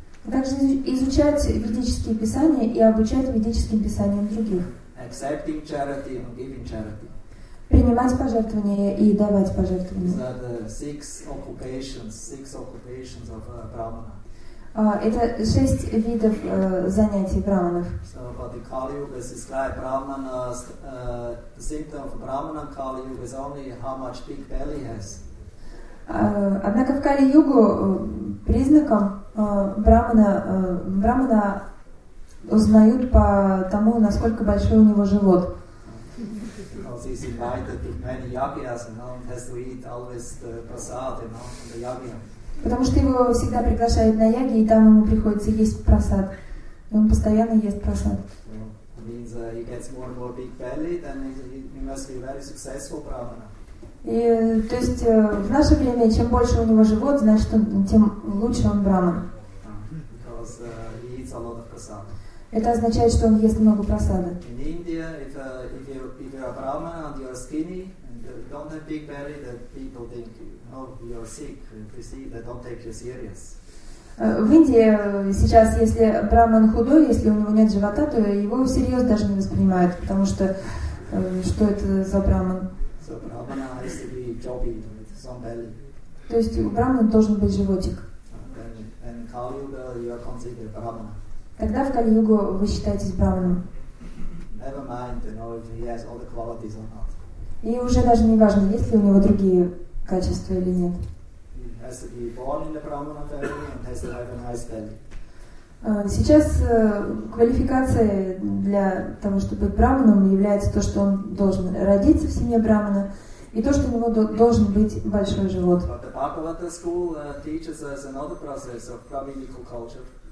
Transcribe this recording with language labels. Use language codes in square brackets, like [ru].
[ru] Также изучать ведические писания и обучать ведическим писаниям других. [en] Accepting charity and giving charity. [ru] Принимать пожертвования и давать пожертвования. [en] These are the six occupations of a brahmana. [ru] Это шесть видов занятий брахманов. [en] So, but the Kali Yuga describes brahmana, the symptom of brahmana Kali Yuga is only how much big belly has. [ru] Однако в Кали-Югу признаком брахмана узнают по тому, насколько большой у него живот. [en] Because he is invited to many yagyas, you know, and has to eat always the prasad, you know, from the yagya. [ru] Потому что его всегда приглашают на яги, и там ему приходится есть прасад. И он постоянно ест прасад. [en] Means he gets more and more big belly, then he must be very successful brahmana. [ru] И то есть в наше время чем больше у него живот, значит, тем лучше он брахман. [en] Because he eats a lot of prasad. [ru] Это означает, что он ест много прасада. [en] In India, if you're a brahmana and you're skinny and you don't have big belly, then people think you're sick. If you see, they don't take you serious. [ru] В Индии сейчас, если браман худой, если у него нет живота, то его всерьез даже не воспринимают, потому что что это за браман? [en] So, brahmana has to be chubby with some belly. [ru] То есть у брамана должен быть животик. [en] And in Kali-Yuga, you are considered brahmana. [ru] Тогда в Кали-Югу вы считаетесь браманом. [en] Never mind, you know, if he has all the qualities or not. [ru] И уже даже не важно, есть ли у него другие качества или нет. [en] Has to be born in the Brahmana family and has to have a nice belly. [ru] Сейчас квалификация для того, чтобы быть браманом, является то, что он должен родиться в семье брамана и то, что у него должен быть большой живот. [en] But the Bhagavata school teaches us another process of Brahminical culture.